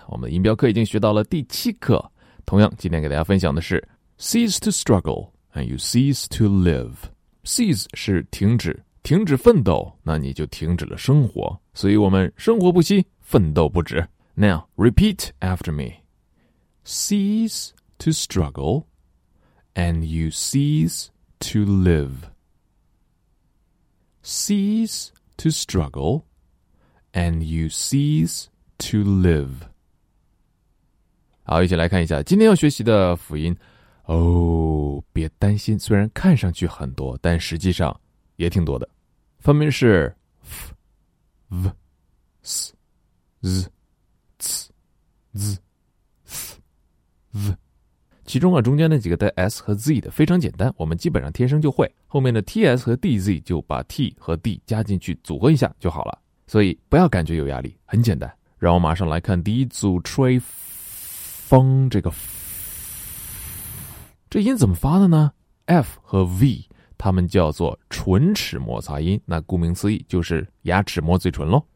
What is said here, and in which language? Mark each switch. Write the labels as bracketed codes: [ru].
[zh] 我们的音标课已经学到了第七课。同样今天给大家分享的是 [en] Cease to struggle and you cease to live. [zh] Cease 是停止，停止奋斗，那你就停止了生活。所以我们生活不息，奋斗不止。 [en] Now, repeat after me. Cease to struggle and you cease to live. Cease to struggle, and you cease to live. [zh] 好，一起来看一下今天要学习的辅音。哦，别担心，虽然看上去很多，但实际上也挺多的。分别是 f, v, s, z, c, z, f, v。其中啊，中间那几个带 s 和 z 的非常简单，我们基本上天生就会。后面的 ts 和 dz 就把 t 和 d 加进去组合一下就好了。所以不要感觉有压力，很简单。让我马上来看第一组，吹风这个，这音怎么发的呢 ？f 和 v 它们叫做唇齿摩擦音，那顾名思义就是牙齿摩嘴唇喽。